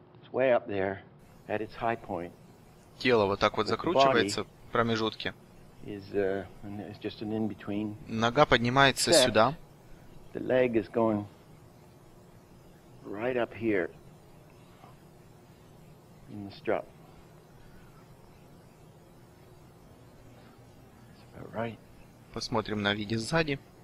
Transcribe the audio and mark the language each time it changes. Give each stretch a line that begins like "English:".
English: Way up there, at its high point.
Russian: Тело вот так вот закручивается в промежутке. Нога поднимается сюда.
English: The leg is going right up here in the strut. Right.
Russian: Посмотрим на виде сзади.